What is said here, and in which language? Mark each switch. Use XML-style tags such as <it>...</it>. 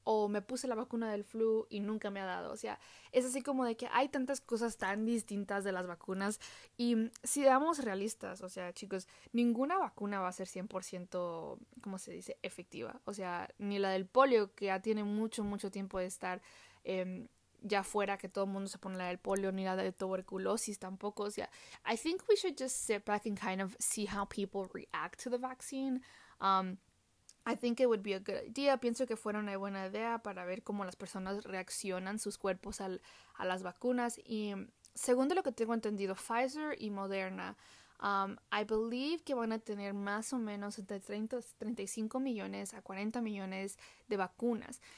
<es>O me puse la vacuna del flu y nunca me ha dado. O sea, es así como de que hay tantas cosas tan distintas de las vacunas. Y si damos realistas, o sea, chicos, ninguna vacuna va a ser 100%, ¿cómo se dice?, efectiva. O sea, ni la del polio, que ya tiene mucho, mucho tiempo de estar ya fuera, que todo el mundo se pone la del polio, ni la de tuberculosis tampoco. O sea,</es> <en>I think we should just sit back and kind of see how people react to the vaccine. I think it would be a good idea.</en> <es>Pienso que fuera una buena idea para ver cómo las personas reaccionan sus cuerpos a las vacunas. Y según de lo que tengo entendido, Pfizer y Moderna,</es> <en>I believe</en> <es>que van a tener más o menos entre 30, 35 millones a 40 millones de vacunas.</es>